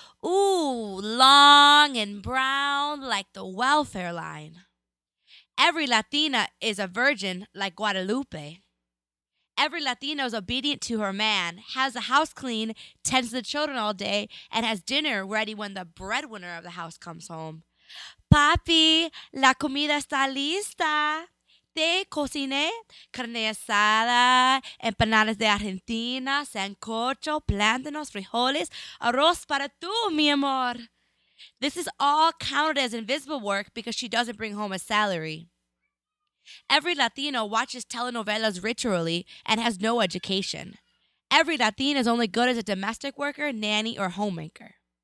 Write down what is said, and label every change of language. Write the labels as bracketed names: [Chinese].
[English] Ooh, long and brown like the welfare line. Every Latina is a virgin like Guadalupe. Every Latino is obedient to her man, has the house clean, tends the children all day, and has dinner ready when the breadwinner of the house comes home. [Spanish] Papi, la comida está lista. Te cociné carne asada, empanadas de Argentina, sancocho, plátanos, frijoles, arroz para tú, mi amor. [English] This is all counted as invisible work because she doesn't bring home a salary. Every Latino watches telenovelas ritually and has no education. Every Latino is only good as a domestic worker, nanny, or homemaker.